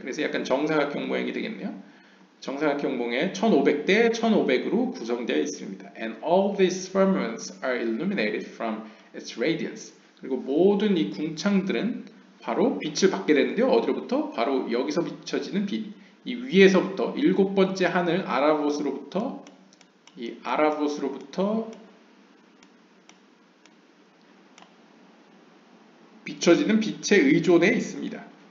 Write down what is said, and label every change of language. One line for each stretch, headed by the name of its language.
Korean: 그래서 약간 정사각형 모양이 되겠네요. 정사각형 모양에 1500대 1500으로 구성되어 있습니다.
English: And all these firmaments are illuminated from its radiance.
Korean: 그리고 모든 이 궁창들은 바로 빛을 받게 되는데요. 어디로부터? 바로 여기서 비춰지는 빛. 이 위에서부터 일곱 번째 하늘 아라봇으로부터 이 아라봇으로부터 비춰지는 빛에 의존해 있습니다.